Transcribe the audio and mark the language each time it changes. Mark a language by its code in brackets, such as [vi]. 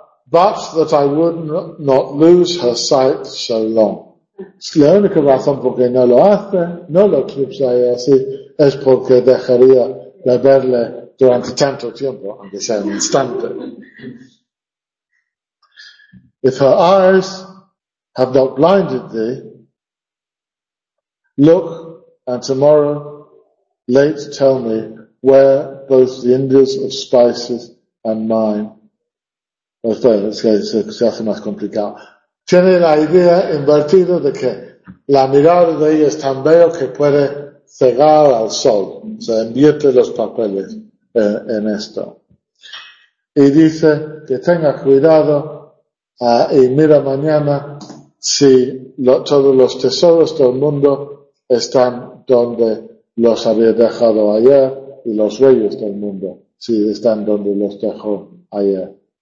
[en] But that I would not lose her sight so long. [es] La única razón por qué no lo hace, no lo eclipse así, es porque dejaría de verle durante tanto tiempo, aunque sea un instante. [en] If her eyes have not blinded thee, look, and tomorrow late tell me where both the Indies of spices and mine. [es] Es que se hace más complicado. Tiene la idea invertida de que la mirada de ella es tan bella que puede cegar al sol. Se invierte los papeles en esto. Y dice que tenga cuidado y mira mañana si todos los tesoros del mundo están donde los había dejado ayer y los reyes del mundo si están donde los dejó ayer.